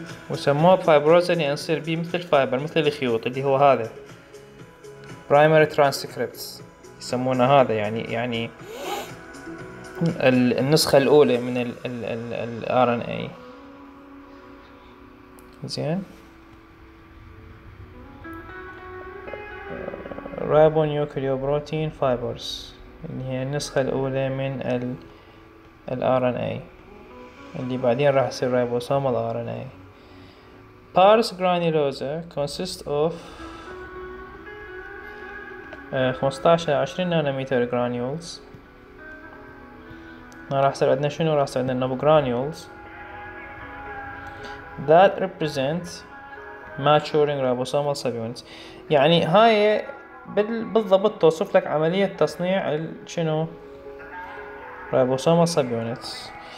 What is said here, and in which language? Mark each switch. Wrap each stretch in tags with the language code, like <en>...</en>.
<ar>وسموه فايبروزا لان يصير بيه مثل فايبر مثل الخيوط اللي هو هذا برايمري ترانسكريبتس يسمونه هذا يعني النسخه الاولى من الار ان اي زين. ribonucleoprotein fibers اللي هي النسخة الأولى من ال RNA اللي بعدين راح يصير ريبوسوم ال RNA.</ar> <en>pars granulosa consists of 15</en> <ar>إلى</ar> <en>20 nanometre granules.</en> <ar>راح يصير عندنا شنو؟ راح يصير عندنا نوب</ar> <en>granules that represent maturing ribosomal subunits.</en> <ar>يعني هاي بالضبط توصف لك عملية تصنيع شنو ريبوسوم سب يونتس.</ar>